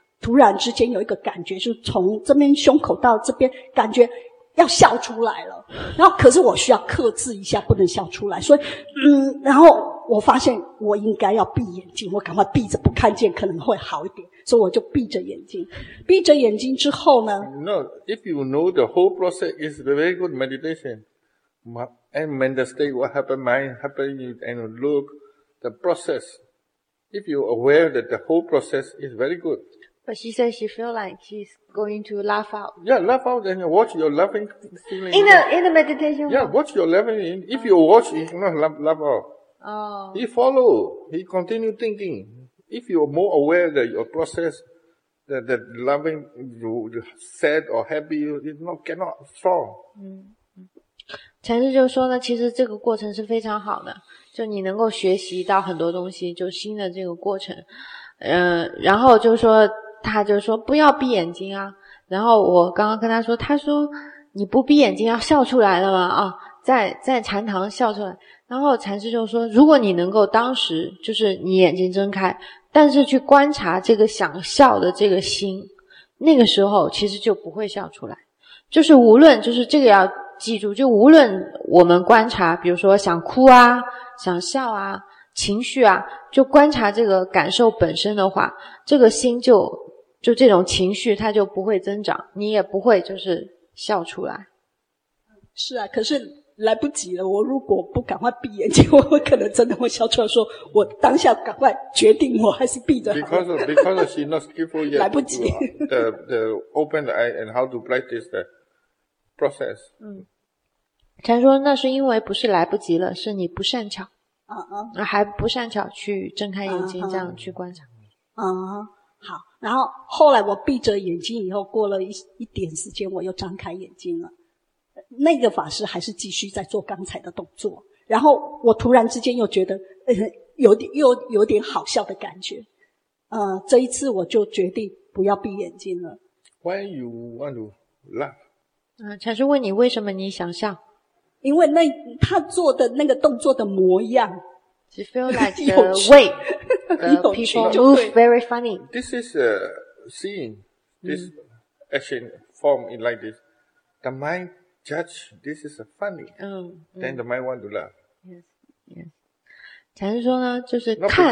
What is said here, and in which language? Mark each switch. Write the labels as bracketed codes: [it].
[zh] 突然之间有一个感觉，就是从这边胸口到这边感觉要笑出来了，然后可是我需要克制一下不能笑出来，所以然后我发现我应该要闭眼睛，我赶快闭着不看见可能会好一点，所以我就闭着眼睛之后呢， [en] No, if you know the whole process is a very good meditation and mental state, what happened, mind happened, and look the process, if you aware that the whole process is very good But she says she feels like she's going to laugh out. Yeah, laugh out and watch your laughing feeling. In the meditation. Yeah, watch your laughing. If you watch, you cannot laugh out. He followed. He continued thinking. If you are more aware that your process, that, that loving, sad or happy, it not, cannot fall. [zh] 禅师就说呢，其实这个过程是非常好的，就你能够学习到很多东西，就新的这个过程。然后就说，他就说不要闭眼睛啊。然后我刚刚跟他说，他说你不闭眼睛要笑出来了吗？啊，在禅堂笑出来。然后禅师就说，如果你能够当时就是你眼睛睁开，但是去观察这个想笑的这个心，那个时候其实就不会笑出来。就是无论，就是这个要记住，就无论我们观察，比如说想哭啊，想笑啊，情绪啊，就观察这个感受本身的话，这个心就这种情绪它就不会增长，你也不会就是笑出来。是啊，可是来不及了，我如果不赶快闭眼睛，我可能真的会笑出来，说我当下赶快决定我还是闭着 [en] 好。Because she not skillful yet. [zh] 来不及。 [en] The open the eye and how to practice the process. 嗯。 [zh] 禅说那是因为不是来不及了，是你不善巧。啊啊。还不善巧去睁开眼睛这样去观察。啊啊。好。然后后来我闭着眼睛以后，过了一点时间我又张开眼睛了。那个法师还是继续在做刚才的动作，然后我突然之间又觉得，有点好笑的感觉，这一次我就决定不要闭眼睛了。 [en] Why you want to laugh？ [zh] 禅师问你为什么你想笑？因为那他做的那个动作的模样 [en] ，She feel like the way people move very funny. This is a scene, this action form in like this, the mind. Judge, this is a funny. Then the mind want to laugh. [zh] Yes. 禅师说呢，就是看。